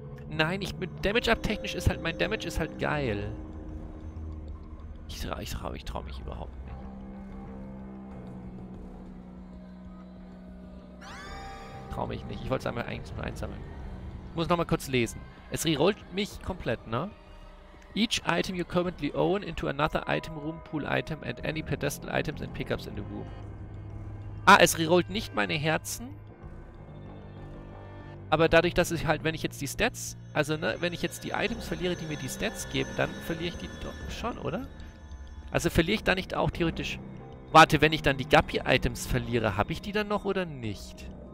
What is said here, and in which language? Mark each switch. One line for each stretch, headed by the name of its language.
German: Nein, ich mit Damage-Up technisch ist halt... Mein Damage ist halt geil. Ich trau mich überhaupt nicht. Trau mich nicht. Ich wollte es eigentlich nur einsammeln. Ich muss nochmal kurz lesen. Es rerollt mich komplett, ne?
English: Each item you currently own into another item room, pool item and any pedestal items and pickups in the room.
German: Ah, es rerollt nicht meine Herzen. Aber dadurch, dass ich halt, wenn ich jetzt die Stats... Also, ne, wenn ich jetzt die Items verliere, die mir die Stats geben, dann verliere ich die doch schon, oder? Also verliere ich da nicht auch theoretisch... Warte, wenn ich dann die Guppy-Items verliere, habe ich die dann noch oder nicht?